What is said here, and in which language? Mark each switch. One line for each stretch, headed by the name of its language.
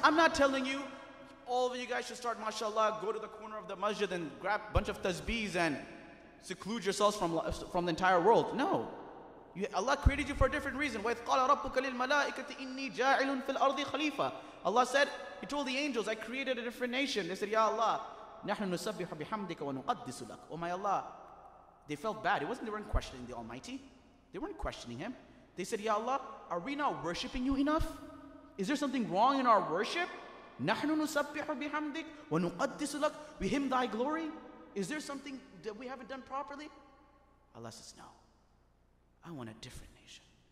English: I'm not telling you, all of you guys should start, mashallah, go to the corner of the masjid and grab a bunch of tasbihs and seclude yourselves from the entire world. No. Allah created you for a different reason.
Arabic: وَإِذْقَالَ رَبُّكَ لِلْمَلَائِكَةِ إِنِّي جَاعِلٌ فِي الْأَرْضِ خَلِيفَةً.
English: Allah said, He told the angels, I created a different nation. They said, Ya Allah,
Arabic: نَحْنُ نُسَبِّحُ بِحَمْدِكَ وَنُقَدِّسُ لَكَ.
English: Oh my Allah. They felt bad. It wasn't they weren't questioning the Almighty. They weren't questioning Him. They said, Ya Allah, are we not worshipping You enough? Is there something wrong in our worship?
Arabic: نَحْنُ نُسَبِّحُ بِحَمْدِكَ وَنُقَدِّسُ لَكَ.
English: We hymn Thy glory. Is there something that we haven't done properly? Allah says, no. I want a different nation.